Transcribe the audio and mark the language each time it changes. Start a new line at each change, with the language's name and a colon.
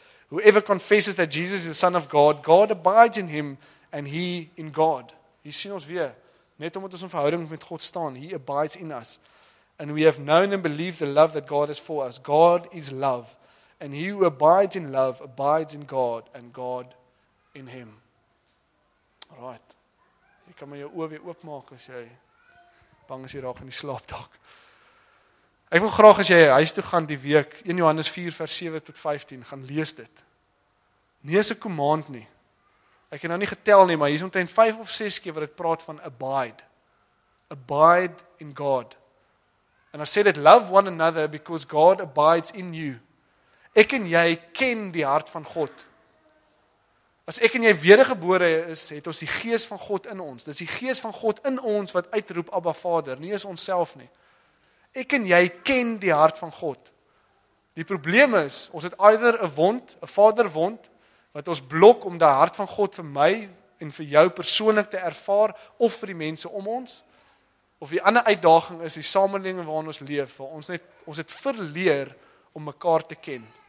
English: Whoever confesses that Jesus is the Son of God, God abides in him and he in God.
Afrikaans: Hier sien ons weer, net omdat ons in verhouding met God staan,
English: he abides in us. And we have known and believed the love that God has for us. God is love. And he who abides in love abides in God and God in him. Right.
Afrikaans: Jy kan maar jou oë weer oopmaak as jy bang is jy raak in die slaap dalk. Ek wil graag as jy huis toe gaan die week, 1 Johannes 4 vers 7 tot 15, gaan lees dit. Nie as 'n command nie. Ek het nou nie getel nie, maar hier is omtrent 5 of 6 keer wat dit praat van abide.
English: Abide in God. And I said it, love one another because God abides in you.
Afrikaans: Ek en jy ken die hart van God. As ek en jy wedergebore is, het ons die gees van God in ons. Dis die gees van God in ons wat uitroep Abba Vader, nie is onsself nie. Ek en jy ken die hart van God. Die probleem is, ons het either 'n wond, 'n vaderwond, wat ons blok om die hart van God vir my en vir jou persoonlik te ervaar, of vir die mense om ons, of die ander uitdaging is die samelewing waarin ons leef, waar ons net, ons het verleer om mekaar te ken.